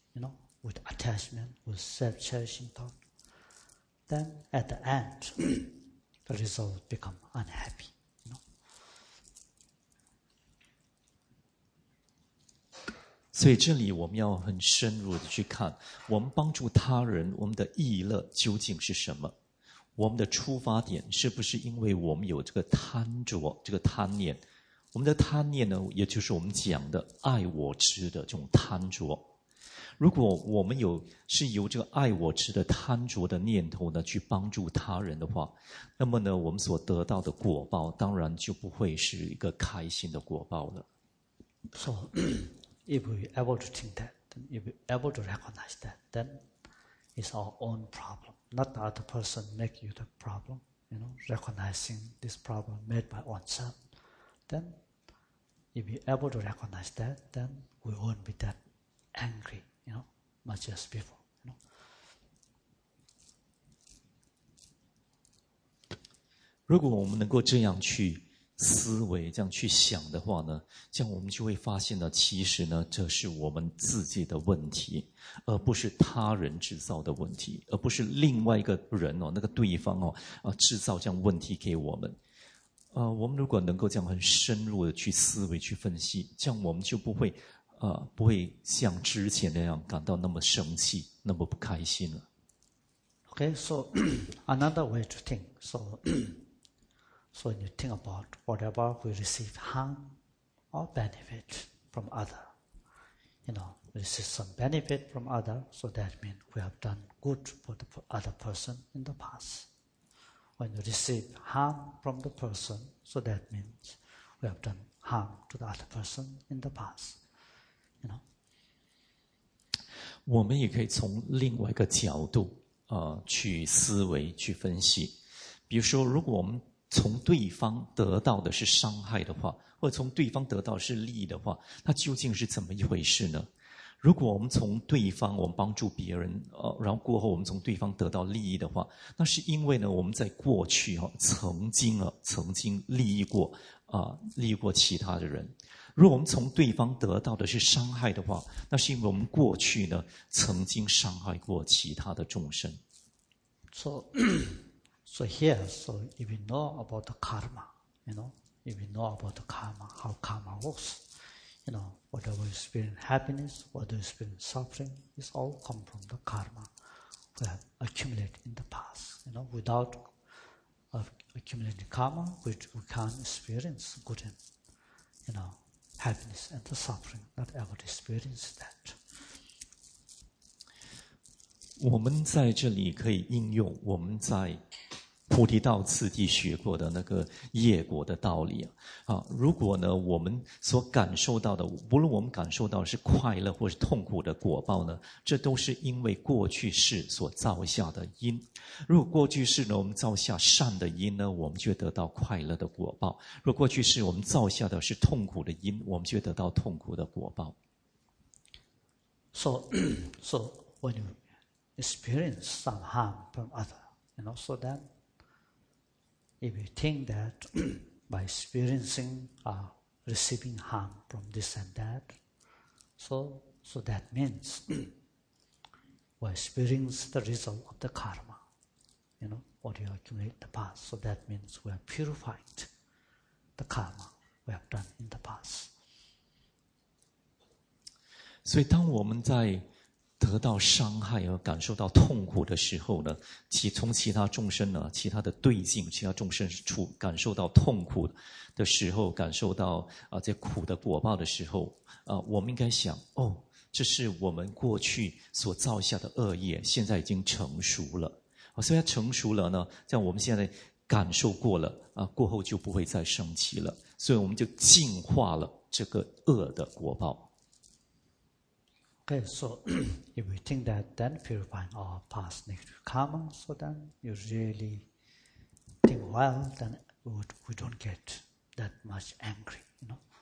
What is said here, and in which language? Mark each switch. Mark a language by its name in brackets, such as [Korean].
[English] You know, with attachment, with self-cherishing thought. Then at the end, the result become unhappy. You know? [Chinese] 所以这里我们要很深入的去看，我们帮助他人，我们的意乐究竟是什么？我们的出发点是不是因为我们有这个贪着，这个贪念？我们的贪念呢，也就是我们讲的爱我执的这种贪着。如果我们有是由这个爱我执的贪着的念头呢去帮助他人的话，那么呢，我们所得到的果报当然就不会是一个开心的果报了。 [English] So, if we able to think that, then if we able to recognize that, then it's our own problem, not the other person make you the problem. You know, recognizing this problem made by oneself. Then, if you're able to recognize that, then we won't be that angry, you know, much as before, you know. [Chinese] 如果我们能够这样去思维，这样去想的话呢，这样我们就会发现呢，其实呢，这是我们自己的问题，而不是他人制造的问题，而不是另外一个人哦，那个对方哦，啊，制造这样问题给我们。我们如果能够这样很深入的去思维去分析，这样我们就不会像之前那样感到那么生气，那么不开心了。 [English] Okay, so another way to think. So when you think about whatever we receive harm or benefit from other, you know, we receive some benefit from other, so that means we have done good for the other person in the past. When you receive harm from the person, so that means we have done harm to the other person in the past. You know, [Chinese] 我们也可以从另外一个角度去思维去分析，比如说如果我们从对方得到的是伤害的话，或者从对方得到的是利益的话，那究竟是怎么一回事呢？如果我们从对方，我们帮助别人，然后过后我们从对方得到利益的话，那是因为呢，我们在过去曾经利益过其他的人。如果我们从对方得到的是伤害的话，那是因为我们过去呢，曾经伤害过其他的众生。 [English] So here, so if we know about the karma, you know, if we know about the karma, how karma works, you know, whatever you experience happiness, whatever you experience suffering, it's all come from the karma we have accumulated in the past. You know, without accumulating karma, we can't experience good and, you know, happiness and the suffering, not ever experience that. [Chinese] 我们在这里可以应用我们在菩提道次第学过的那个业果的道理啊。如果呢，我们所感受到的，不论我们感受到的是快乐或是痛苦的果报呢，这都是因为过去世所造下的因。如果过去世呢，我们造下善的因呢，我们就得到快乐的果报；如果过去世我们造下的是痛苦的因，我们就得到痛苦的果报。 [English] So when you experience some harm from other, you know, so then if you think that by experiencing receiving harm from this and that, so that means we experience the result of the karma, you know, what you accumulate in the past. So that means we have purified the karma we have done in the past. [Chinese] 所以当我们在得到伤害而感受到痛苦的时候呢，从其他众生呢，其他的对境，其他众生处感受到痛苦的时候，感受到这苦的果报的时候，我们应该想，哦，这是我们过去所造下的恶业，现在已经成熟了。虽然成熟了呢，这样我们现在感受过了过后就不会再生气了，所以我们就净化了这个恶的果报。 [English] Okay, so if we think that then purifying our past negative karma, so then you really think well, then we don't get that much angry, you know.